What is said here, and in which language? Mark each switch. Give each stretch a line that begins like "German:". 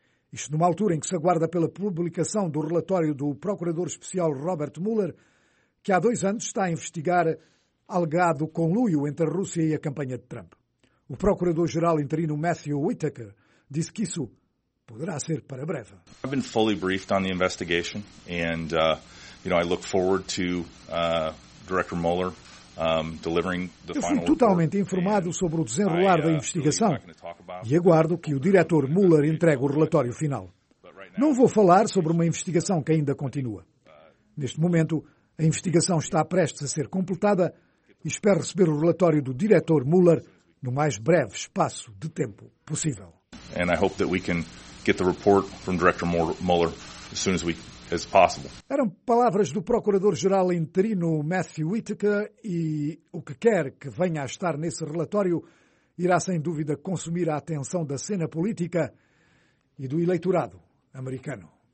Portuguese: Isto numa altura em que se aguarda pela publicação do relatório do procurador especial Robert Mueller, que há 2 anos está a investigar alegado conluio entre a Rússia e a campanha de Trump. O procurador-geral interino Matthew Whitaker disse que isso poderá ser para breve.
English: I've been fully briefed on the investigation and I look forward to Director Mueller delivering the final report.
Portuguese: Fui totalmente informado sobre o desenrolar da investigação e aguardo que o diretor Mueller entregue o relatório final. Não vou falar sobre uma investigação que ainda continua. Neste momento, a investigação está prestes a ser completada e espero receber o relatório do diretor Mueller no mais breve espaço de tempo possível.
English: And I hope that we can get the report from Director Mueller as soon as we as possible.
Portuguese: Eram palavras do Procurador-Geral interino Matthew Whitaker e o que quer que venha a estar nesse relatório irá sem dúvida consumir a atenção da cena política e do eleitorado americano.